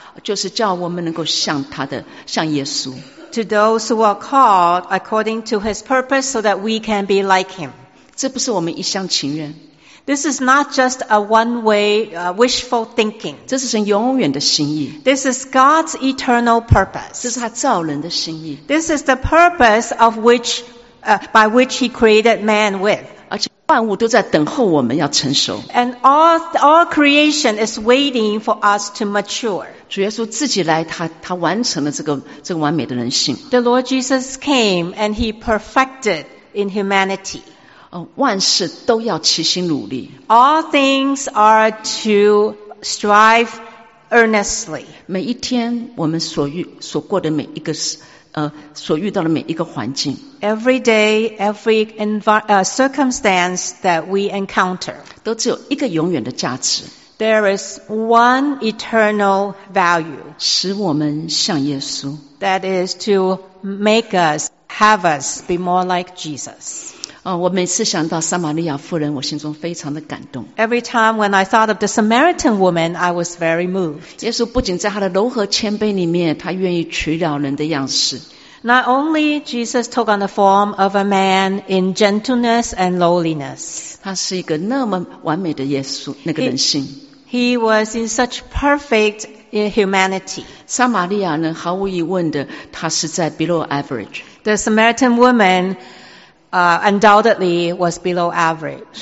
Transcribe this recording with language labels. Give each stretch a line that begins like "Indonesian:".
Chinese: 就是叫我们能够像他的，像耶稣。
English: To those who are called according to his purpose so that we can be like him.
Chinese: 这不是我们一厢情愿。
English: This is not just a one-way wishful thinking.
Chinese: 这是神永远的心意。
English: This is God's eternal purpose.
Chinese: 这是他造人的心意。
English: This is the purpose of which, by which he created man with.
Chinese: 而且万物都在等候我们要成熟。
English: And all creation is waiting for us to mature.
Chinese: 主耶稣自己来，他完成了这个完美的人性。
English: The Lord Jesus came and he perfected in humanity.
Chinese: 万事都要齐心努力。
English: All things are to strive earnestly.
Chinese: 每一天我们所过的每一个所遇到的每一个环境。
English: Every day, every circumstance that we encounter.
Chinese: 都只有一个永远的价值。
English: There is one eternal value.
Chinese: 使我们像耶稣。
English: That is to make us, have us be more like Jesus.
Chinese: 我每次想到撒玛利亚妇人，我心中非常的感动。
English: Every time when I thought of the Samaritan woman, I was very moved.
Chinese: 耶稣不仅在他的柔和谦卑里面，他愿意取了人的样式。
English: Not only Jesus took on the form of a man in gentleness and lowliness.
Chinese: 他是一个那么完美的耶稣，那个人性。
English: He was in such perfect humanity.
Chinese: 撒玛利亚呢，毫无疑问的，他是在
English: below average. The Samaritan woman,undoubtedly was below average.